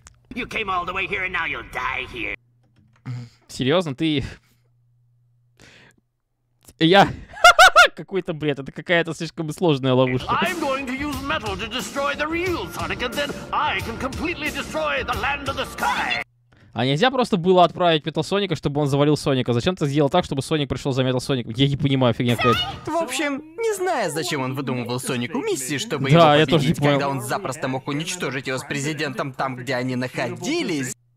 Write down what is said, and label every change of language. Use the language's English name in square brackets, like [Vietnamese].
[English] You came all the way here, and now you'll die here. [Russian] Серьезно, ты... Я... Какой-то бред, это какая-то слишком сложная ловушка. [English] I'm going to use metal to destroy the real Sonic, and then I can completely destroy the land of the sky. [Russian] А нельзя просто было отправить Метал Соника, чтобы он завалил Соника? Зачем ты сделал так, чтобы Соник пришел за Метал Соником? Я не понимаю, фигня какая-то. В общем, не знаю, зачем он выдумывал Сонику миссии, чтобы да, его победить, когда он запросто мог уничтожить его с президентом там, где они находились.